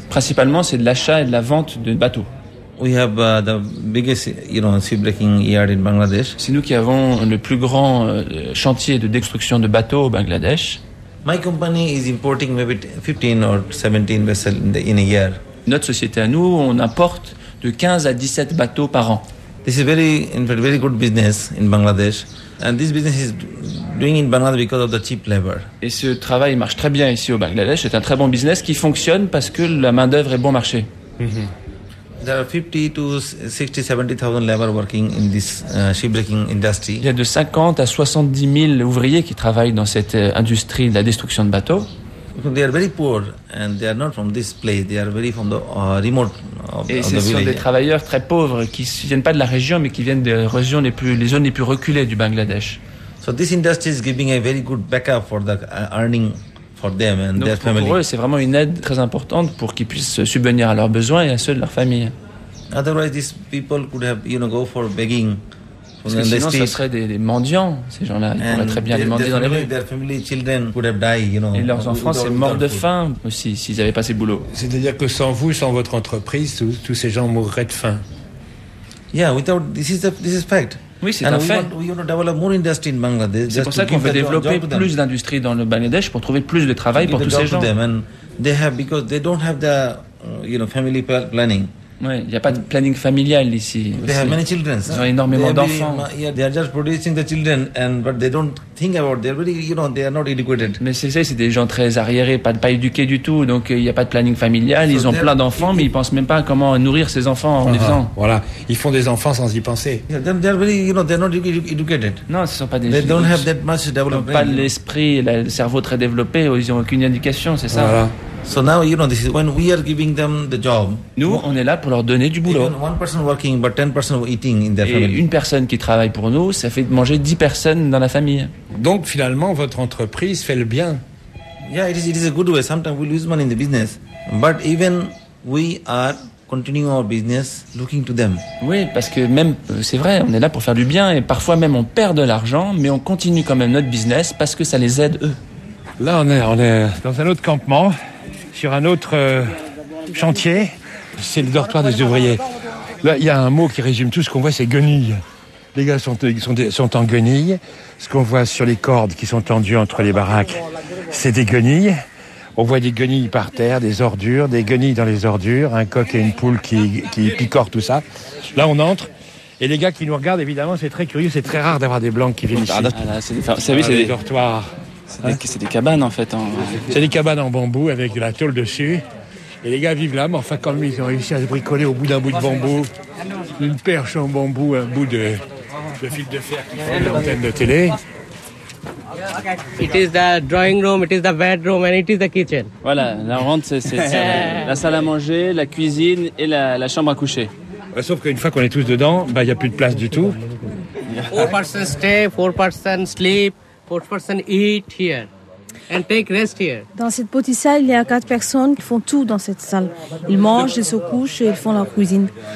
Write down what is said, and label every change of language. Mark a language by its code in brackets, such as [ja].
[fr] Principalement, c'est de l'achat et de la vente de bateaux. [en] We have the biggest, you know, shipbreaking yard in Bangladesh. [fr] C'est nous qui avons le plus grand chantier de destruction de bateaux au Bangladesh. [en] My company is importing maybe 15 or 17 vessels in a year. [fr] Notre société à nous, on importe de 15 à 17 bateaux par an. [en] This is very, in fact, very good business in Bangladesh, and this business is doing in Bangladesh because of the cheap labor. [fr] Et ce travail marche très bien ici au Bangladesh. C'est un très bon business qui fonctionne parce que la main d'œuvre est bon marché. [en] There are 50 to 60, 70,000 labor working in this shipbreaking industry. [fr] Il y a de 50 à 70 000 ouvriers qui travaillent dans cette industrie de la destruction de bateaux. [en] They are very poor and they are not from this place. They are very from the remote of the village. [fr] Et ce sont des travailleurs très pauvres qui viennent pas de la région mais qui viennent des régions les zones les plus reculées du Bangladesh. [en] So this industry is giving a very good backup for the earning. [fr] Donc pour eux, c'est vraiment une aide très importante pour qu'ils puissent subvenir à leurs besoins et à ceux de leur famille. [en] Otherwise, these people could have, you know, go for begging. [fr] Parce que sinon, ce serait des mendiants, ces gens-là. Ils pourraient très bien les mendier dans les rues. [en] Their family, children could have died, you know. [fr] Et leurs enfants seraient morts de faim aussi s'ils n'avaient pas ces boulots. C'est-à-dire que sans vous, sans votre entreprise, tous ces gens mourraient de faim. [en] Yeah, without this is fact. [fr] Oui, c'est un fait. [en] We want to develop more industry in Bangladesh. [fr] C'est pour ça qu'on veut développer plus d'industrie dans le Bangladesh pour trouver plus de travail pour tous ces gens. [en] And they have, because they don't have the, you know, family planning. [fr] Oui, il n'y a pas de planning familial ici. [en] They have many children. [fr] Ils ont énormément d'enfants. [en] They are just producing the children, and but they don't think about. They're really, you know, they are not educated. [fr] Mais c'est des gens très arriérés, pas éduqués du tout. Donc il n'y a pas de planning familial. Ils ont plein d'enfants, mais ils pensent même pas à comment nourrir ces enfants en les faisant. Voilà, ils font des enfants sans y penser. [en] Yeah, they're really, you know, they're not educated. [fr] Non, ce sont pas des. [en] They don't have that much development. [fr] Pas l'esprit, le cerveau très développé. Ils ont aucune éducation, c'est ça. Voilà. [en] So now you know this is when we are giving them the job. [fr] Nous, on est là pour leur donner du boulot. [en] Even one person working, but 10 persons eating in their family. [fr] Et une personne qui travaille pour nous, ça fait manger 10 personnes dans la famille. Donc finalement, votre entreprise fait le bien. [en] Yeah, it is a good way. Sometimes we lose money in the business, but even we are continuing our business, looking to them. [fr] Oui, parce que même c'est vrai, on est là pour faire du bien et parfois même on perd de l'argent, mais on continue quand même notre business parce que ça les aide eux. Là, on est dans un autre campement. Sur un autre chantier, c'est le dortoir des ouvriers. Là, il y a un mot qui résume tout ce qu'on voit, c'est guenilles. Les gars sont en guenilles. Ce qu'on voit sur les cordes qui sont tendues entre les baraques, c'est des guenilles. On voit des guenilles par terre, des ordures, des guenilles dans les ordures, un coq et une poule qui picorent tout ça. Là, on entre. Et les gars qui nous regardent, évidemment, c'est très curieux. C'est très rare d'avoir des blancs qui viennent ici. Ah là, c'est des dortoirs. C'est des cabanes en fait. C'est des cabanes en bambou avec de la tôle dessus. Et les gars vivent là, mais enfin quand même ils ont réussi à se bricoler au bout d'un bout de bambou, une perche en bambou, un bout de fil de fer qui fait l'antenne de télé. [en] It is the drawing room, it is the bedroom, and it is the kitchen. [fr] Voilà, la rente, c'est la salle à manger, la cuisine et la chambre à coucher. Bah, sauf qu'une fois qu'on est tous dedans, bah, y a plus de place du tout. [en] 4 persons stay, 4 persons sleep. 4 persons eat here and take rest here. [fr] Dans cette petite salle, il y a 4 personnes qui font tout dans cette salle. Ils mangent, ils se couchent et ils font la cuisine.